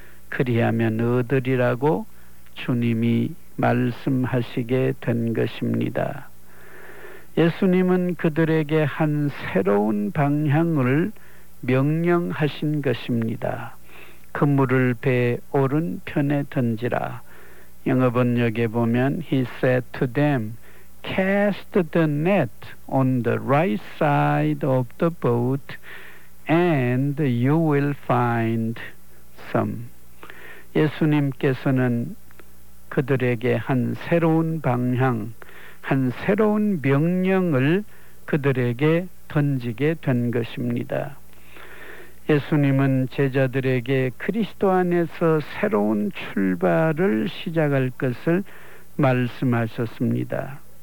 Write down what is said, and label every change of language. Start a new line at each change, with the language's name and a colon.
Korean: 그리하면 얻으리라고 주님이 말씀하시게 된 것입니다. 예수님은 그들에게 한 새로운 방향을 명령하신 것입니다. 그물을 배 오른편에 던지라. 영어 번역에 보면
English: He said to them, Cast the net on the right side of the boat and you will find some.
Korean: 예수님께서는 그들에게 한 새로운 방향, 한 새로운 명령을 그들에게 던지게 된 것입니다. 예수님은 제자들에게 그리스도 안에서 새로운 출발을 시작할 것을 말씀하셨습니다.